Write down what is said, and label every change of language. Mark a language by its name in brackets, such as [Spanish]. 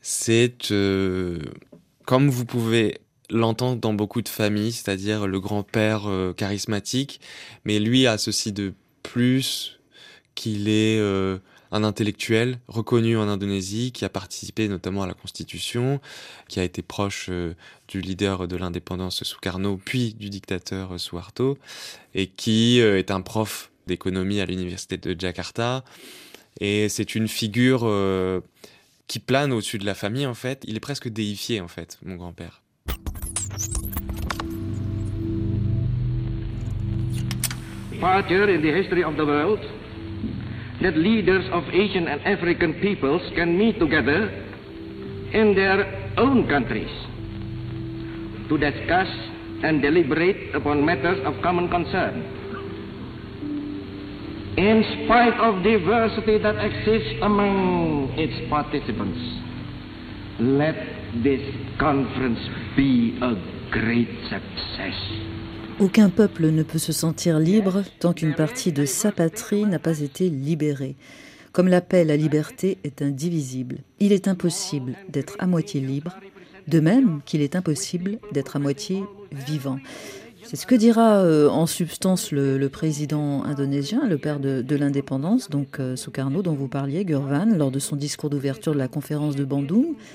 [French] C'est, comme vous pouvez l'entendre dans beaucoup de familles, c'est-à-dire le grand-père charismatique, mais lui a ceci de plus qu'il est un intellectuel reconnu en Indonésie, qui a participé notamment à la Constitution, qui a été proche du leader de l'indépendance Sukarno, puis du dictateur Suharto, et qui est un prof d'économie à l'université de Jakarta. Et c'est une figure qui plane au-dessus de la famille, en fait. Il est presque déifié, en fait, mon grand-père. [English] Father in the history of the world, that leaders of Asian and African peoples can meet together in their own countries to discuss and deliberate upon matters of common concern. In spite of diversity that exists among its participants, let this conference be a great success. [French] Aucun peuple ne peut se sentir libre tant qu'une partie de sa patrie n'a pas été libérée. Comme la paix, la liberté est indivisible. Il est impossible d'être à moitié libre, de même qu'il est impossible d'être à moitié vivant. C'est ce que dira en substance le président indonésien, le père de l'indépendance, donc Sukarno, dont vous parliez, Gurvan, lors de son discours d'ouverture de la conférence de Bandung.